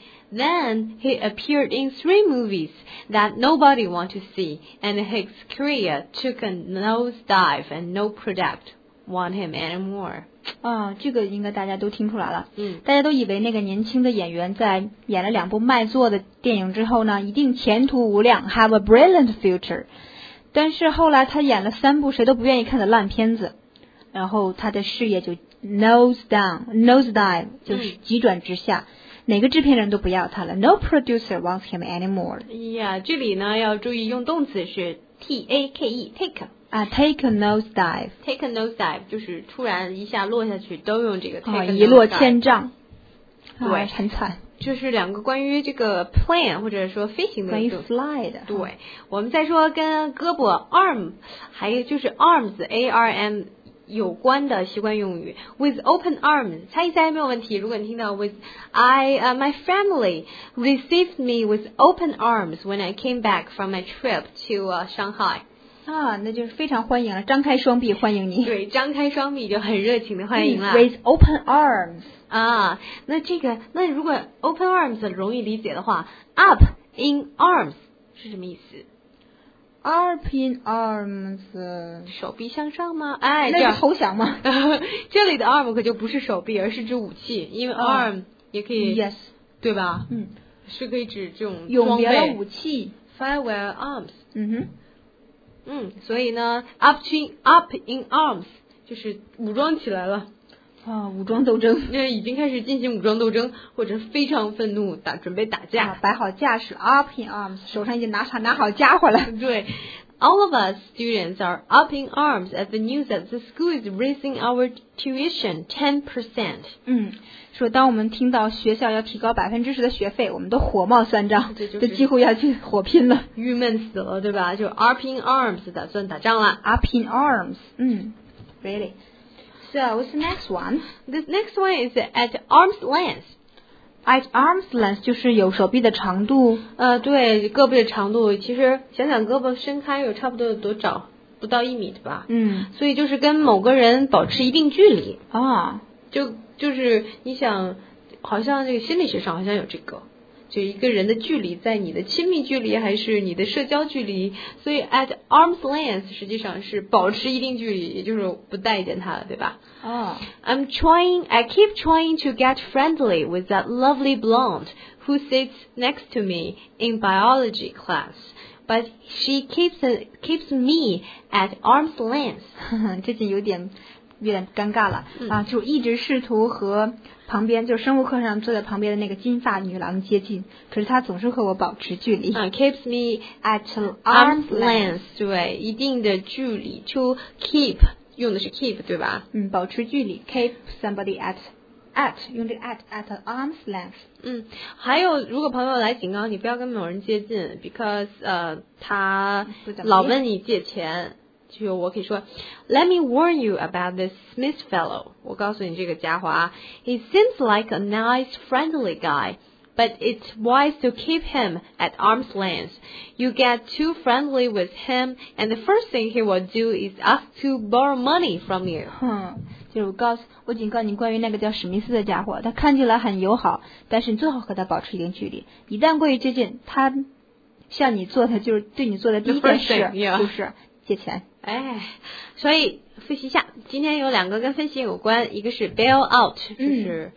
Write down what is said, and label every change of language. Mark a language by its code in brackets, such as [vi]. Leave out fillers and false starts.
[en] Then he appeared in three movies that nobody wanted to see, and his career took a nosedive and no product want him anymore. [zh] 哦，这个应该大家都听出来了。嗯，大家都以为那个年轻的演员在演了两部卖座的电影之后呢，一定前途无量 ， [en] have a brilliant future。 [zh] 但是后来他演了三部谁都不愿意看的烂片子，然后他的事业就 nosedive， 就是急转直下。嗯，哪个制片人都不要他了 ， [en] No producer wants him anymore。 [zh] Yeah， 这里呢要注意用动词是 take， take。 [en] 啊、take a nosedive. [zh] Take a nosedive, 就是突然一下落下去都用这个 [en] take a nosedive. [zh] 一落千丈。对、啊、很惨。就是两个关于这个 plane, 或者说飞行的。关于 fly 的。对。我们再说跟胳膊 arm, 还有就是 arms, A-R-M, 有关的习惯用语。 [en] With open arms, [zh] 猜一猜没有问题，如果你听到 [en] with, my family received me with open arms when I came back from my trip to、Shanghai. [zh] 啊，那就是非常欢迎了，张开双臂欢迎你。对，张开双臂就很热情的欢迎了。 [en] With open arms。 [zh] 啊，那这个，那如果 open arms 容易理解的话 ，up in arms 是什么意思 [en] ？Up in arms， [zh] 手臂向上吗？哎，那是投降吗？这里的 arm 可就不是手臂，而是指武器，因为 arm 也可以、 [en] yes. [zh] 对吧？嗯，是可以指这种装备。有别的武器 [en] ，firewear arms。嗯哼。 [zh] 嗯，所以呢 up in arms 就是武装起来了啊，武装斗争，因为已经开始进行武装斗争，或者非常愤怒打准备打架、啊、摆好架势 up in arms， 手上已经拿好家伙了。 [en] 对， all of us students are up in arms at the news that the school is raising our tuition 10%。 [zh] 嗯，说当我们听到学校要提高10%的学费，我们都火冒三丈，这几乎要去火拼了，郁闷死了，对吧？就 up in arms 打算打仗了。 [en] up in arms， [zh] 嗯 [en] ，really。So what's the next one？ This next one is at arm's length。 [zh] At arm's length 就是有手臂的长度。对，胳膊的长度，其实想想胳膊伸开有差不多多少？不到一米的吧，嗯，所以就是跟某个人保持一定距离啊，就是你想，好像这个心理学上好像有这个，就一个人的距离在你的亲密距离还是你的社交距离，所以 at arm's length 实际上是保持一定距离，也就是不待见他了，对吧？啊 [en] I keep trying to get friendly with that lovely blonde who sits next to me in biology class. But she keeps me at arm's length. [zh] 这就有点尴尬了、嗯、啊！就一直试图和旁边，就生物课上坐在旁边的那个金发女郎接近，可是她总是和我保持距离。 [en] Keeps me at arm's length. [zh] 对，一定的距离。 To keep 用的是 keep 对吧？嗯，保持距离。Keep somebody at 用这个 at arm's length。嗯，还有如果朋友来警告你不要跟某人接近 because 他老问你借钱，就我可以说 [en] Let me warn you about this Smith fellow. [zh] 我告诉你这个家伙啊， [en] He seems like a nice friendly guy, but it's wise to keep him at arm's length. You get too friendly with him and the first thing he will do is ask to borrow money from you. [zh] 就是我警告你关于那个叫史密斯的家伙，他看起来很友好，但是你最好和他保持一定距离，一旦过于接近，他向你做的就是对你做的第一件事 [en] thing,、yeah. [zh] 就是借钱。哎，所以复习一下，今天有两个跟分析有关，一个是 bail out， 就是、